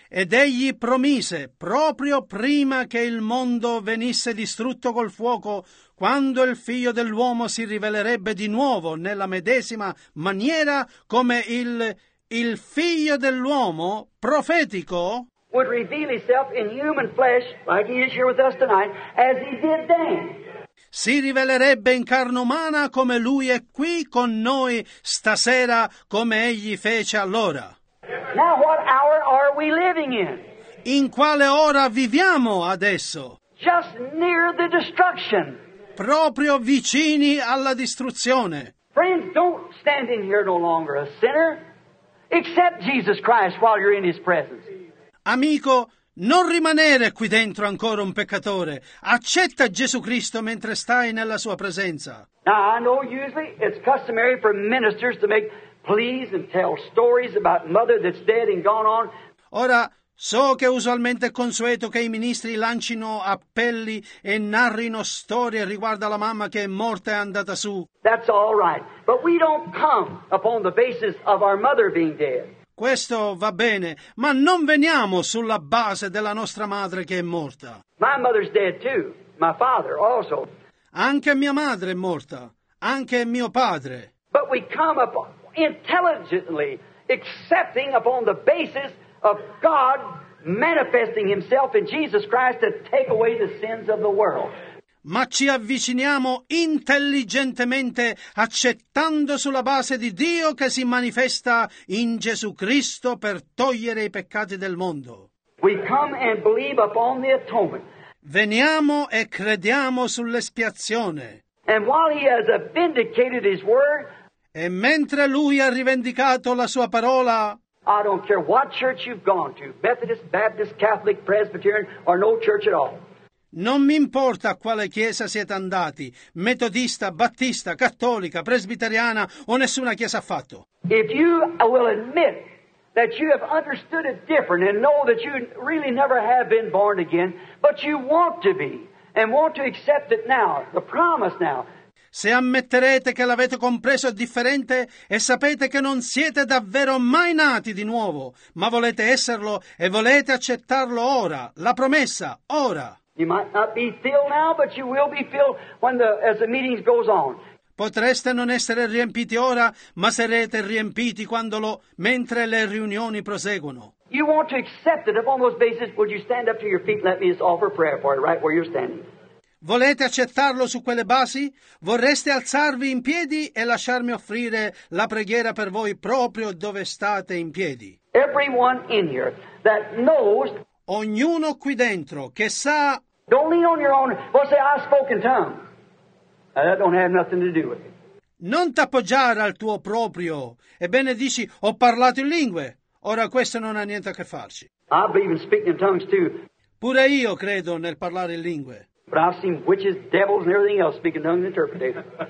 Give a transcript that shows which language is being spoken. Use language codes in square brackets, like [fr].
[it] Ed egli promise, proprio prima che il mondo venisse distrutto col fuoco, quando il figlio dell'uomo si rivelerebbe di nuovo nella medesima maniera come il figlio dell'uomo profetico, [en] would reveal himself in human flesh, like he is here with us tonight, as he did then. [it] Si rivelerebbe in carne umana come lui è qui con noi stasera, come egli fece allora. [en] Now what hour are we living in? [it] In quale ora viviamo adesso? [en] Just near the destruction. [it] Proprio vicini alla distruzione. [en] Friends, don't stand in here no longer a sinner. Accept Jesus Christ while you're in his presence. [it] Amico, non rimanere qui dentro ancora un peccatore. Accetta Gesù Cristo mentre stai nella sua presenza. [en] Now I know usually it's customary for ministers to make please and tell stories about mother that's dead and gone on. [it] Ora, so che usualmente è consueto che i ministri lancino appelli e narrino storie riguardo alla mamma che è morta e andata su. [en] That's all right. But we don't come upon the basis of our mother being dead. [it] Questo va bene, ma non veniamo sulla base della nostra madre che è morta. [en] My mother's dead too. My father also. [it] Anche mia madre è morta. Anche mio padre. [en] But we come up intelligently accepting upon the basis of God manifesting himself in Jesus Christ to take away the sins of the world. [it] Ma ci avviciniamo intelligentemente accettando sulla base di Dio che si manifesta in Gesù Cristo per togliere i peccati del mondo. [en] We come and believe upon the atonement. [it] Veniamo e crediamo sull'espiazione. [en] And while he has vindicated his word, [it] e mentre lui ha rivendicato la sua parola, [en] I don't care what church you've gone to, Methodist, Baptist, Catholic, Presbyterian, or no church at all. [it] Non mi importa a quale chiesa siete andati, metodista, battista, cattolica, presbiteriana o nessuna chiesa affatto. [en] If you will admit that you have understood it different and know that you really never have been born again, but you want to be and want to accept it now, the promise now. [it] Se ammetterete che l'avete compreso differente e sapete che non siete davvero mai nati di nuovo, ma volete esserlo e volete accettarlo ora, la promessa, ora. [en] You might not be filled now, but you will be filled when as the meeting goes on. [it] Potreste non essere riempiti ora, ma sarete riempiti mentre le riunioni proseguono. [en] You want to accept it upon those basis? Would you stand up to your feet and let me just offer prayer for it right where you're standing? [it] Volete accettarlo su quelle basi? Vorreste alzarvi in piedi e lasciarmi offrire la preghiera per voi proprio dove state in piedi? [en] Everyone in here that knows. [it] Ognuno qui dentro che sa. [en] Don't lean on your own. Well, say I spoke in tongues. Now, that don't have nothing to do with it. [it] Non t'appoggiare al tuo proprio. Ebbene dici ho parlato in lingue. Ora questo non ha niente a che farci. [en] I believe in speaking in tongues too. [it] Pure io credo nel parlare in lingue. [en] But I've seen witches, devils, and everything else speaking tongues, interpreting.